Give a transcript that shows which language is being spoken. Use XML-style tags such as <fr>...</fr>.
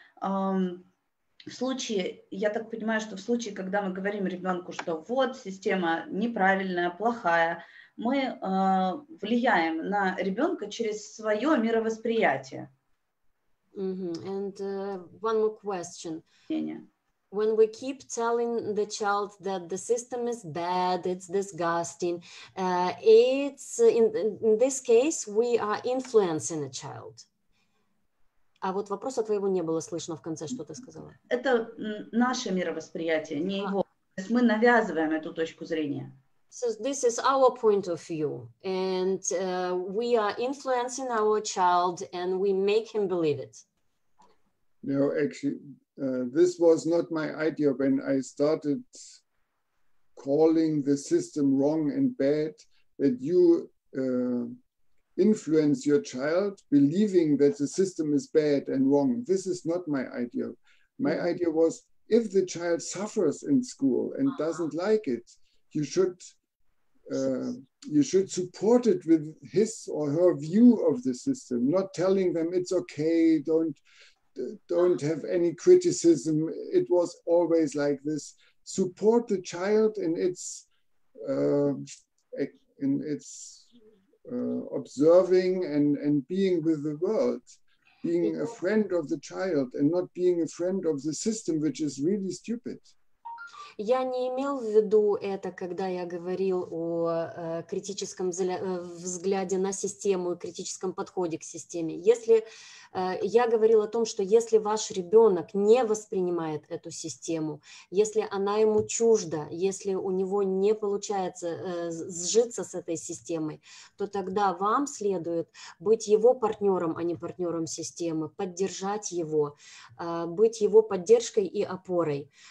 <ru>В случае, я так понимаю, что в случае, когда мы говорим ребенку, что вот система неправильная, плохая, мы влияем на ребенка через свое мировосприятие.</ru> <en>And one more question. When we keep telling the child that the system is bad, it's disgusting, it's in this case we are influencing the child.</en> <ru>А вот вопроса твоего не было слышно в конце, что ты сказала. Это наше мировосприятие, не его. То есть мы навязываем эту точку зрения.</ru> <en>So this is our point of view, and we are influencing our child, and we make him believe it. No, actually, this was not my idea when I started calling the system wrong and bad, that you... influence your child believing that the system is bad and wrong. This is not my idea. My idea was if the child suffers in school and doesn't like it, you should support it with his or her view of the system, not telling them it's okay, don't have any criticism, it was always like this. Support the child in its observing and being with the world, being a friend of the child and not being a friend of the system, which is really stupid.</en> <ru>Я не имел в виду это, когда я говорил о критическом взгляде на систему и критическом подходе к системе. Если я говорил о том, что если ваш ребенок не воспринимает эту систему, если она ему чужда, если у него не получается сжиться с этой системой, то тогда вам следует быть его партнером, а не партнером системы, поддержать его, быть его поддержкой и опорой.</ru>